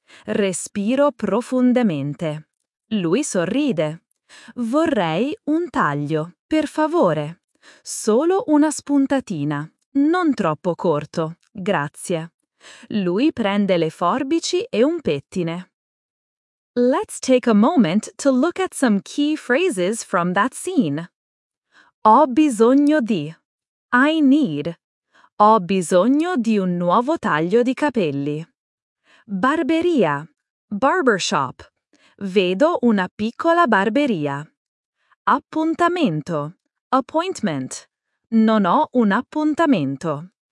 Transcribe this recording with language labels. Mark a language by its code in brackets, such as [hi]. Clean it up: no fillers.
[it] Respiro profondamente. Lui sorride. Vorrei un taglio, per favore. Solo una spuntatina. Non troppo corto, grazie. Lui prende le forbici e un pettine. [en] Let's take a moment to look at some key phrases from that scene. [it] Ho bisogno di. [en] I need. [it] Ho bisogno di un nuovo taglio di capelli. Barberia. [en] Barbershop. [it] Vedo una piccola barberia. Appuntamento. [en] Appointment. [it] Non ho un appuntamento.